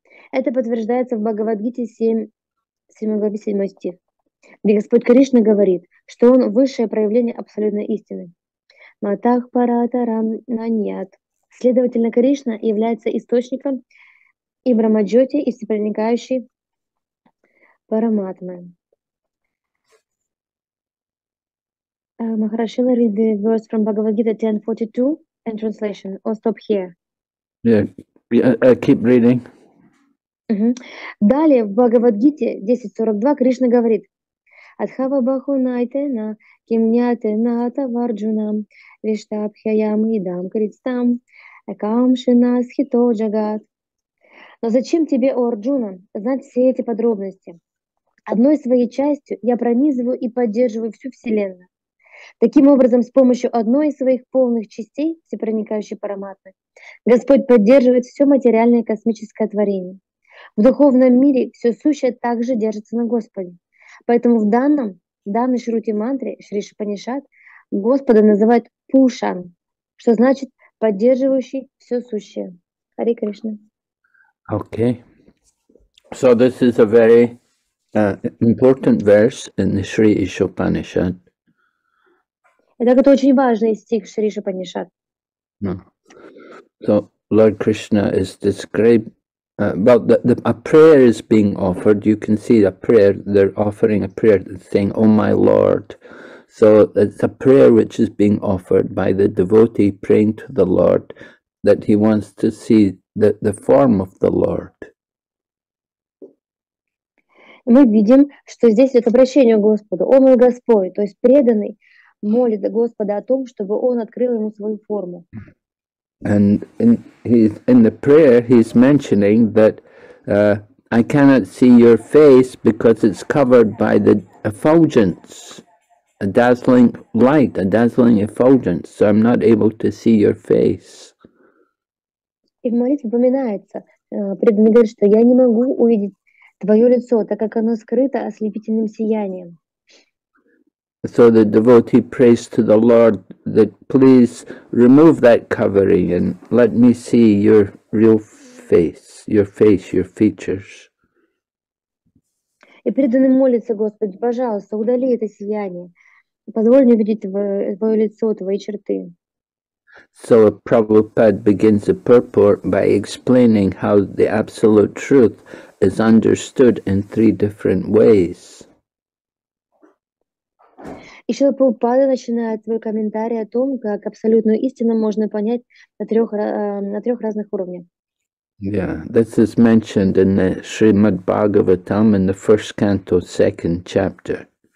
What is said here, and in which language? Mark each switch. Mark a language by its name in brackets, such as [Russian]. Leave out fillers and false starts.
[Russian] Это подтверждается в Бхагавадгите 7 стих, где Господь Кришна говорит, что Он – высшее проявление абсолютной истины. [Sanskrit] Матах паратарам наньят. [Russian] Следовательно, Кришна является источником и Брамаджоти, и всепроникающей параматмы. [English] Maharashila, read the verse from Bhagavad Gita 10.42 and translation, or stop here. Yeah, I keep reading. [Russian] Далее в Бхагавад Гите 10.42 Кришна говорит [Sanskrit] Адхава баху найтена кимняте ната варджунам виштабхиям идам критстам экамшина схито джагат. [Russian] Но зачем тебе, о Арджуна, знать все эти подробности? Одной своей частью я пронизываю и поддерживаю всю Вселенную. Таким образом, с помощью одной из своих полных частей, всепроникающей параматмы, Господь поддерживает все материальное космическое творение. В духовном мире все сущее также держится на Господе. Поэтому в данной шрути мантре Шри Шопанишад Господа называют Пушан, что значит поддерживающий все сущее. Хари Кришна. [English] Okay. So this is a very important verse in the Shri Ishopanishad. [Russian] Итак, это очень важный стих Шри Шопанишад. [English] So Lord Krishna is described, well, a prayer is being offered. You can see the prayer. They're offering a prayer, saying, "Oh my Lord." So it's a prayer which is being offered by the devotee praying to the Lord that he wants to see the form of the Lord. [Russian] Мы видим, что здесь это обращение к Господу. О мой Господь, то есть преданный. Молит Господа о том, чтобы Он открыл ему свою форму. [English] And in the prayer he's mentioning that I cannot see your face because it's covered by the effulgence. a dazzling light, a dazzling effulgence, so I'm not able to see your face. [Russian] И в молитве упоминается, преданный говорит, что я не могу увидеть твое лицо, так как оно скрыто ослепительным сиянием. [English] So the devotee prays to the Lord that please remove that covering and let me see your real face, your features. [Russian] И преданный молится, Господи, пожалуйста, удали это сияние. Позволь мне видеть твое лицо, твои черты. [English] So Prabhupada begins the purport by explaining how the absolute truth is understood in three different ways. [Russian] И Шрила Прабхупада начинает свой комментарий о том, как абсолютную истину можно понять на трех разных уровнях. [English] Yeah, this is mentioned in the Srimad Bhagavatam in the first canto, second chapter.